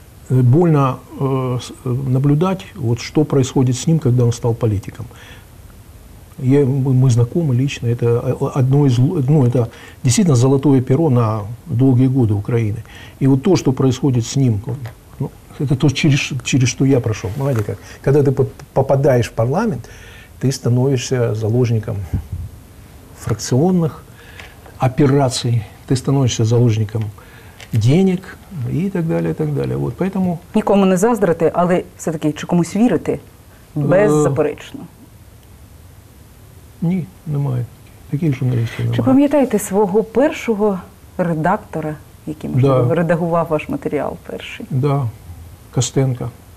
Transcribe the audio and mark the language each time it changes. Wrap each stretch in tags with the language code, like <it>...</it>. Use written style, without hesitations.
<uk>Больно наблюдати, от що відбувається з ним, коли він став політиком. Ми знайомі лично, це одно із, ну, це дійсно золоте перо на довгі роки України. І от то, що відбувається з ним,</uk> <ru>это то, через что я прошел. Знаете, как? Когда ты попадаешь в парламент, ты становишься заложником фракционных операций, ты становишься заложником денег и так далее, и так далее. Вот, поэтому...</ru> <uk>Нікому не заздрити, але все-таки чи комусь вірити беззаперечно? Ні, немає. Таких журналістів немає. Чи пам'ятаєте свого першого редактора, який, можливо, редагував ваш матеріал перший?</uk> <ru>Да. Костенко.</ru>